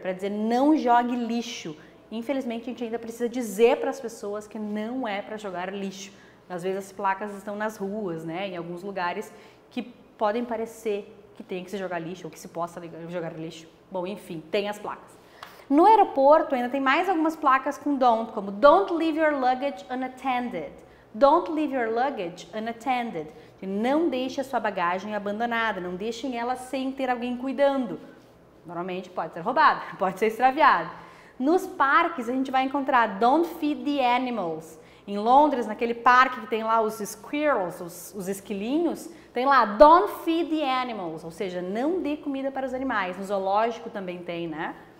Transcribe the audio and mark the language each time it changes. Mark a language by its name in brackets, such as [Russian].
[Portuguese] Para dizer não jogue lixo. Infelizmente, a gente ainda precisa dizer para as pessoas que não é para jogar lixo. Às vezes, as placas estão nas ruas, né? Em alguns lugares que podem parecer que tenha que se jogar lixo, ou que se possa jogar lixo. Bom, enfim, tem as placas. No aeroporto ainda tem mais algumas placas com don't, como [English] don't leave your luggage unattended. Don't leave your luggage unattended. [Portuguese] Não deixe a sua bagagem abandonada, não deixem ela sem ter alguém cuidando. Normalmente pode ser roubado, pode ser extraviado. Nos parques a gente vai encontrar [English] don't feed the animals. [Portuguese] Em Londres, naquele parque que tem lá os squirrels, os esquilinhos, tem lá [English] don't feed the animals, [Portuguese] ou seja, não dê comida para os animais. No zoológico também tem, né?